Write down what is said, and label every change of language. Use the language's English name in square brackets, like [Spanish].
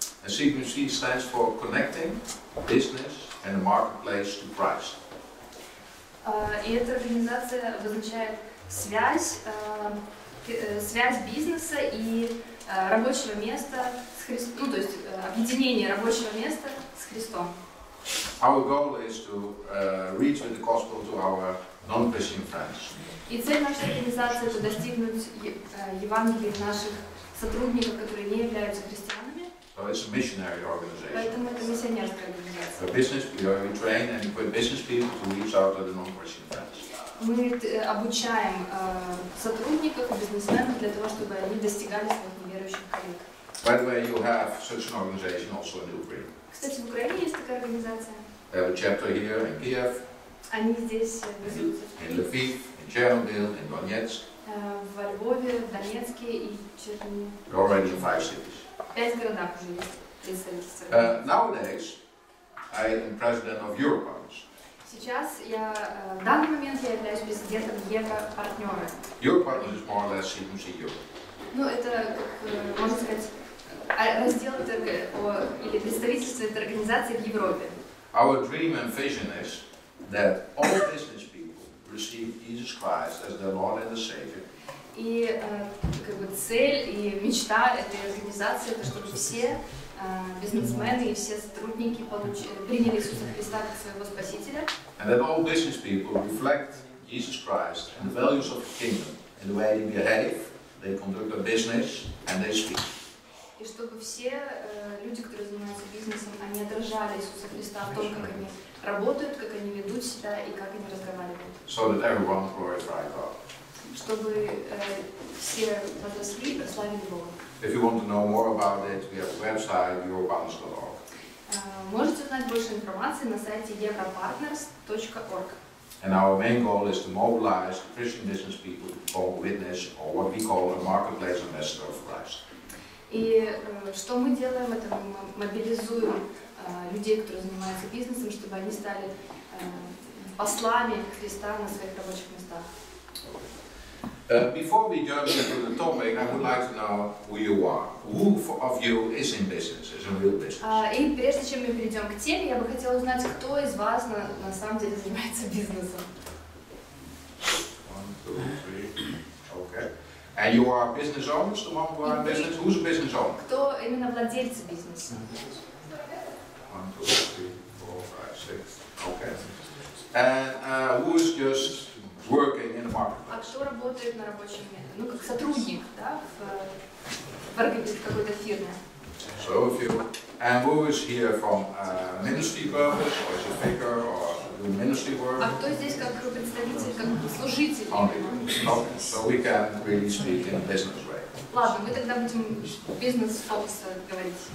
[English] CBMC stands for Connecting Business and the Marketplace to Price. [Russian] И эта организация обозначает связь бизнеса и рабочего места с Христом, ну, то есть объединение рабочего места с Христом. [English] Our goal is to reach with the gospel to our non-Christian friends. [Russian] И цель нашей организации – это достигнуть Евангелия в наших сотрудников, которые не являются христианами. [English] So it's a missionary organization. [Russian] Поэтому это миссионерская организация. [English] A business, we train and equip business people to reach out to the non-Christian friends. [Russian] Мы обучаем сотрудников и бизнесменов для того, чтобы они достигали своих неверующих коллег. [English] By the way, you have such an organization also in Ukraine. [Russian] Кстати, в Украине есть такая организация. [English] They have a chapter here in Kiev. [Russian] Они здесь, в [English] Львове. In Lviv, in Chernobyl, in Donetsk. [Russian] Во Львове, в Донецке и Чернобыле. [English] We're already in 5 cities. [Russian] 5 городов уже есть. [English] Nowadays, I am president of Eurobonds. [Russian] Сейчас я, в данный момент я являюсь президентом Европартнера. [English] Europartners is more or less CBMC Europe. [Russian] Ну, это, можно сказать, раздел или представительство этой организации в Европе. [English] Our dream and vision is that all business people receive Jesus Christ as their Lord and their Savior. [Russian] И как бы цель и мечта этой организации, это чтобы все бизнесмены и все сотрудники приняли Иисуса Христа как своего Спасителя. [English] And that all business people reflect Jesus Christ and the values of the kingdom in the way they behave. They conduct their business and they speak. [Russian] И чтобы все люди, которые занимаются бизнесом, они отражали Иисуса Христа в том, как они работают, как они ведут себя и как они разговаривают. [English] So that everyone glorifies God. [Russian] Чтобы все возросли и прославили Бога. [English] If you want to know more about it, we have a website, eurobonds.org. [Russian] Можете узнать больше информации на сайте europartners.org. [English] And our main goal is to mobilize Christian business people to call witness, or what we call a marketplace ambassador of Christ. [Russian] И что мы делаем, это мы мобилизуем людей, которые занимаются бизнесом, чтобы они стали послами Христа на своих рабочих местах. [English] Before we jump into the topic, I would like to know who you are. Who of you is in business, is in real business? [Russian] И прежде чем мы перейдем к теме, я бы хотела узнать, кто из вас на самом деле занимается бизнесом. [English] 2, 3. Okay. And you are business owners, the one who are in business? Who's a business owner? [Russian] Кто именно владелец бизнеса? [English] 1, 2, 3, 4, 5, 6. Okay. And who is just working in the market? [Russian] А кто работает на рабочем месте? Ну, как сотрудник, да, в какой-то фирме. [English] So a few. And who is here from ministry purpose, or is a vicar, or do ministry work? [Russian] А кто здесь как представитель, как служитель? [English] Only. Okay. So we can really speak in a business way. [Russian] Ладно, мы тогда будем бизнес-фокус говорить.